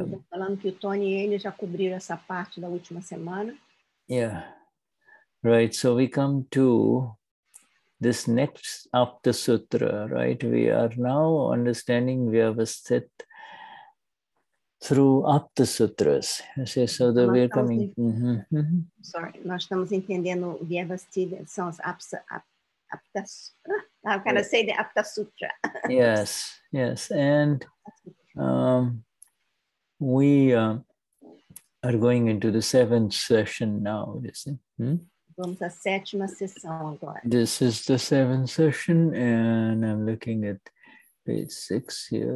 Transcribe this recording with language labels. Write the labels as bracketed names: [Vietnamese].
[Portuguese] Falando que o Tony e ele já cobriram essa parte da última semana. [English] Yeah. Right, so we come to this next Aptasutra, right? We are now understanding Vyavasthit through Aptasutras. Okay, so that we are coming. [Portuguese] Sorry, nós estamos entendendo Vyavasthit, são as Aptas. [English] How can I say the Aptasutra? Yes, yes. And we are going into the seventh session now, you see. [Portuguese] Vamos à sétima sessão agora. [English] This is the seventh session, and I'm looking at page 6 here.